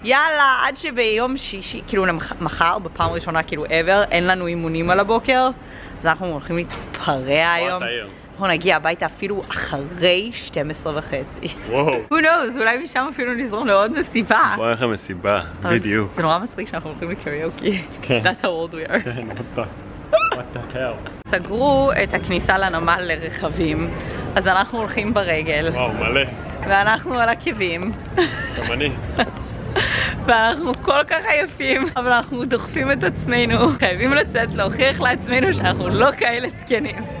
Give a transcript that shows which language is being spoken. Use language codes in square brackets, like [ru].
[he] יאללה, עד שביום שישי, כאילו מחר, בפעם ראשונה, כאילו ever, אין לנו אימונים על הבוקר, אז אנחנו הולכים להתפרע היום. אנחנו נגיע הביתה אפילו אחרי 12:30. וואו. [en] Who knows, [he] אולי משם אפילו נזרום לעוד מסיבה. בואו איך המסיבה, בדיוק. זה נורא מצחיק שאנחנו הולכים לקריוקי. כן. [en] That's how old we are. כן, what the hell. [he] סגרו את הכניסה לנמל לרכבים, אז אנחנו הולכים ברגל. וואו, מלא. ואנחנו על עקבים. גם אני. ואנחנו כל כך עייפים, אבל אנחנו דוחפים את עצמנו. חייבים לצאת, להוכיח לעצמנו שאנחנו לא כאלה זקנים.